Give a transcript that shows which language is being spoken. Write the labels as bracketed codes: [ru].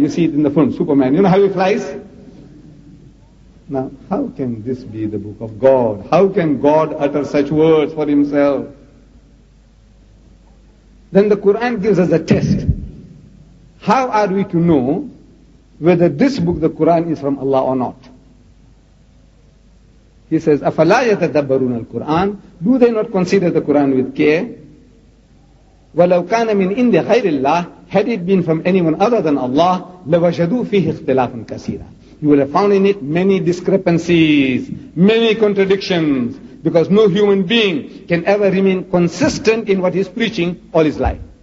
[en] You see it in the film, Superman. You know how he flies? Now, how can this be the book of God? How can God utter such words for himself? Then the Quran gives us a test. How are we to know whether this book, the Quran, is from Allah or not? He says, [ar] أَفَلَا يَتَدَبَّرُونَ الْقُرْآنَ. [en] Do they not consider the Quran with care? [ar] وَلَوْ كَانَ مِنْ إِنْدِ غَيْرِ اللَّهِ. [en] Had it been from anyone other than Allah, [ar] لَوَجَدُوا فِيهِ اخْتِلَافٌ كَثِيرًا. [en] You will have found in it many discrepancies, many contradictions, because no human being can ever remain consistent in what he's preaching all his life.